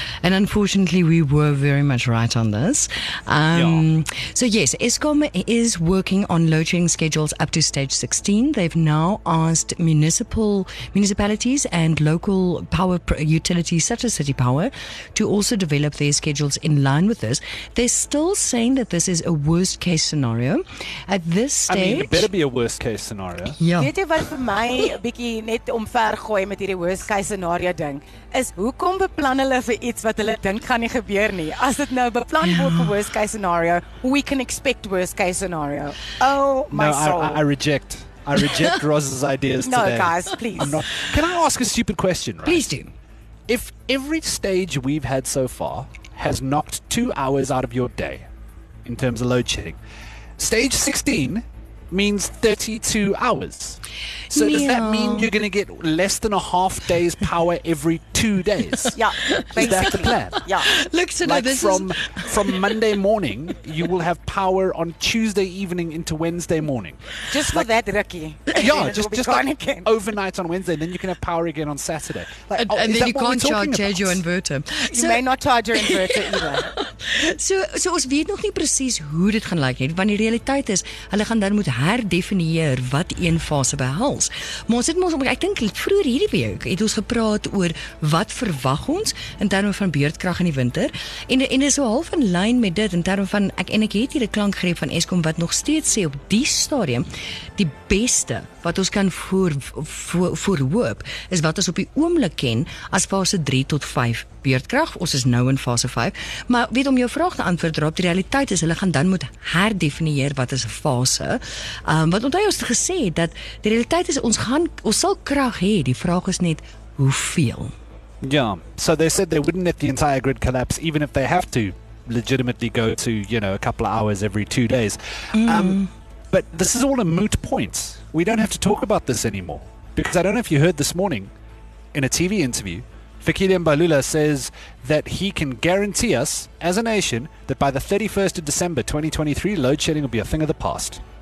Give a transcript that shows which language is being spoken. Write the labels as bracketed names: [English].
[English] And unfortunately, we were very much right on this. So yes, Eskom is working on load shedding schedules up to stage 16. They've now asked municipalities and local power utilities, such as City Power, to also develop their schedules in line with this. They're still saying that this is a worst case scenario. At this stage, I mean, it better be a worst case scenario. Yeah. [Afrikaans] Weet jy wat vir my bietjie net omvergooi met hierdie [English] worst case scenario [Afrikaans] ding, is hoekom beplan hulle vir iets wat hulle dink gaan nie gebeur nie? As dit nou beplan word vir [English] worst case scenario, we can expect worst case scenario. Oh, my no, soul. I reject Roz's ideas no, today. No, guys, please. I'm not, can I ask a stupid question, right? Please do. If every stage we've had so far has knocked 2 hours out of your day in terms of load shedding, stage 16 means 32 hours. So Neil, does that mean you're going to get less than a half day's power every 2 days? Yeah, basically. Is that the plan? Yeah. Look, so like no, this from Monday morning, you will have power on Tuesday evening into Wednesday morning. Just like, for that, Ricky. Yeah, just like overnight on Wednesday, and then you can have power again on Saturday. Like, and then you can't charge your inverter. You may not charge your inverter either. [Afrikaans] So ons weet nog nie presies hoe dit gaan lyk nie, want die realiteit is, hulle gaan dan moet herdefinieer wat een fase behels. Maar ons het mos, ek dink vroeger hierdie week, het ons gepraat oor wat verwag ons in termen van beurtkrag in die winter, en is so half in lyn met dit, in termen van, ek het hier die klankgreep van Eskom, wat nog steeds sê op die stadium, die beste wat ons kan voorhoop, is wat ons op die oomblik ken as fase 3 tot 5 beurtkrag. Ons is nou in fase 5. Maar weet, om jou vraag te antwoord erop, die realiteit is, hulle gaan dan moet herdefinieer wat is 'n fase. Want onthou, ons het gesê dat die realiteit is, ons sal krag hê. Die vraag is net, hoeveel? [English] Ja, so they said they wouldn't let the entire grid collapse, even if they have to legitimately go to, you know, a couple of hours every 2 days. But this is all a moot point. We don't have to talk about this anymore. Because I don't know if you heard this morning in a TV interview, Fikile Mbalula says that he can guarantee us as a nation that by the 31st of December 2023, load shedding will be a thing of the past.